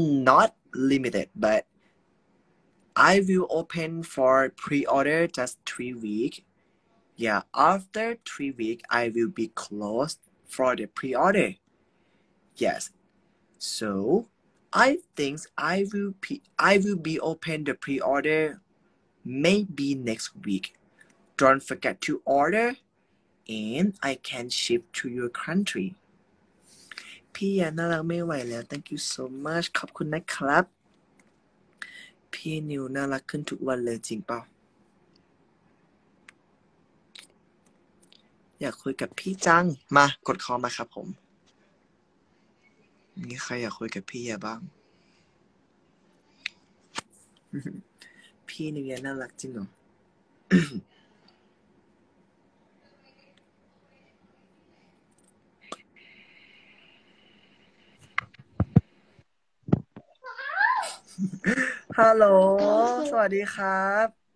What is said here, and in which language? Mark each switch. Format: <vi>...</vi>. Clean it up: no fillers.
<en>not limited but I will open for pre-order just 3 weeks yeah after 3 weeks I will be closed for the pre-order yes soI think I will be open the pre-order maybe next week. Don't forget to order and I can ship to your country.</en> <th>พี่ยาน่ารักไม่ไหวแล้ว</th> <en>Thank you so much.</en> <th>ขอบคุณนะครับพี่นิวน่ารักขึ้นทุกวันเลยจริงเปล่า อยากคุยกับพี่จังมากดคอมาครับผมมีใครอยากคุยกับพี่ยาบ้างพี่นี่ยน่ารักจริงเหรอฮัลโหลสวัสดีครับ</th>